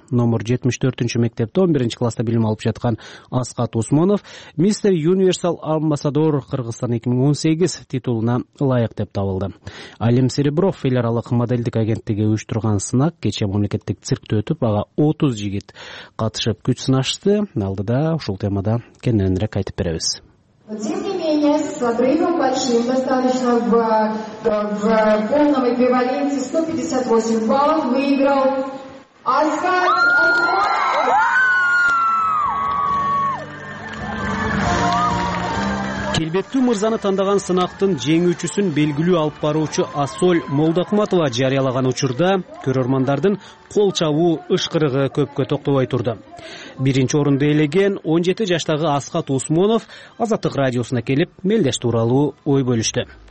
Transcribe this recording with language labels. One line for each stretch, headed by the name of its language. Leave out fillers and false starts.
Kyrgyz: Номер 74-чү мектепте 11-чи класста билим алып жаткан Асхат Усманов Мистер Юниверсал Амбассадор Кыргызстан 2018 титулуна ылайык деп табылды. Алим Серебров эл аралык моделдик агенттиги уюштурган сынак кече мамлекеттик циркте өтүп, ага 30 жигит катышып күч сынашты. Алдыда ушул темада кененирээк айтып беребиз.
Russian: Но тем не менее, с обрывом большим, достаточно в полном эквиваленте 158 баллов выиграл Асхат Усманов.
Kyrgyz: Келбеттүү мырзаны тандаган сынактын жеңүүчүсүн белгилүү алып баруучу Асоль Молдокматова жарыялаган учурда көрөрмандардын кол чабуу ышкырыгы көпкө токтобой турду. Биринчи орунду ээлеген 17 жаштагы Асхат Усманов Азаттык радиосуна келип, мелдеш тууралуу ой бөлүштү.